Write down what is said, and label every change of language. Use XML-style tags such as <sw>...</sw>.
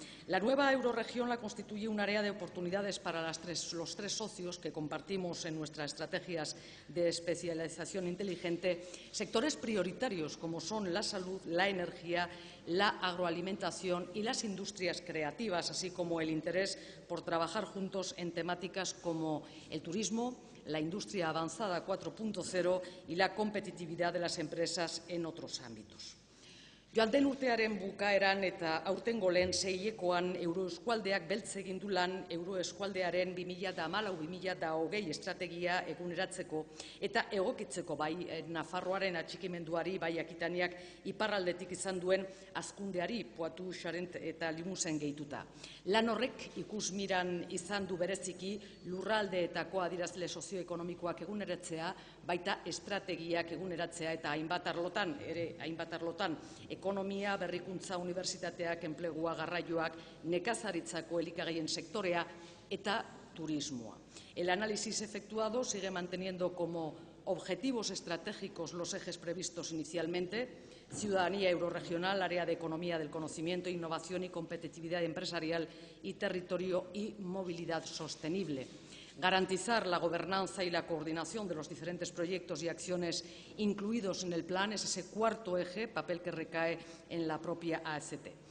<es>La nueva euroregión la constituye un área de oportunidades para los tres socios que compartimos en nuestras estrategias de especialización inteligente, sectores prioritarios como son la salud, la energía, la agroalimentación y las industrias creativas, así como el interés por trabajar juntos en temáticas como el turismo, la industria avanzada 4.0 y la competitividad de las empresas en otros ámbitos.</es> <eu>Joan den urtearen bukaeran eta aurtengo lehen seiekoan Euroeskualdeak beltze egin du lan Euroeskualdearen 2014-2020 estrategia eguneratzeko eta egokitzeko bai Nafarroaren atxikimenduari, bai Akitaniak iparraldetik izan duen azkundeari Poitou Charente eta Limousin gehituta. Lan horrek ikusmiran izan du bereziki lurraldeetako adierazle sozioekonomikoak eguneratzea, baita estrategiak eguneratzea eta hainbat arlotan ekonomia, berrikuntza, unibertsitateak, enplegua, garraioak, nekazaritzako elikagaien sektorea eta turismoa.</eu> <es>El análisis efectuado sigue manteniendo como objetivos estratégicos los ejes previstos inicialmente, ciudadanía euroregional, área de economía del conocimiento, innovación y competitividad empresarial y territorio y movilidad sostenible. Garantizar la gobernanza y la coordinación de los diferentes proyectos y acciones incluidos en el plan es ese cuarto eje, papel que recae en la propia AST.</es>